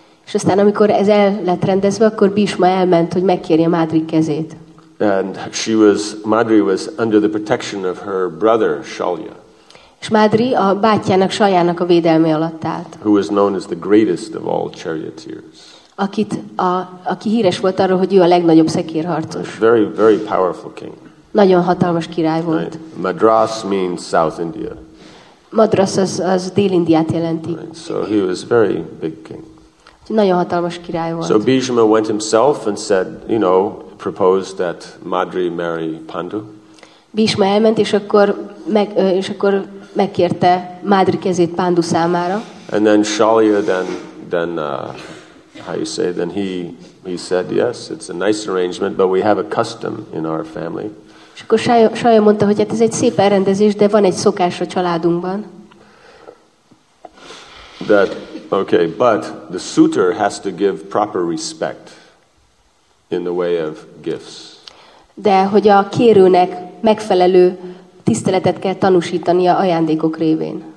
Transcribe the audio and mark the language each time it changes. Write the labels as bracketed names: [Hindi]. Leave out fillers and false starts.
[Hungarian] És aztán, amikor ez el lett rendezve, akkor Bhishma elment, hogy megkérje Madri kezét. [English] And she was, Madri was under the protection of her brother Shalya. [Hungarian] És Madri a bátyjának, Shalyának a védelme alatt állt. [English] Who was known as the greatest of all charioteers. [Hungarian] Akit a, aki híres volt arról, hogy ő a legnagyobb szekérharcos. [English] Very, very powerful king. [Hungarian] Nagyon hatalmas király volt. [English] Right. Madras means South India. [Hungarian] Madras az, az Dél-Indiát jelenti. [English] Right. So he was very big king. [Hungarian] Nagyon hatalmas király volt. [English] So Bhishma went himself and said, you know, proposed that Madri marry Pandu. [Hungarian] Bhishma elment, és akkor megkérte Madri kezét Pandu számára. [English] And then Shalya then he said yes, it's a nice arrangement, but we have a custom in our family. [Hungarian] És akkor Shalya mondta, hogy hát ez egy szép elrendezés, de van egy szokás a családunkban. [English] That okay, but the suitor has to give proper respect in the way of gifts. [Hungarian] De hogy a kérőnek megfelelő tiszteletet kell tanúsítani a ajándékok révén.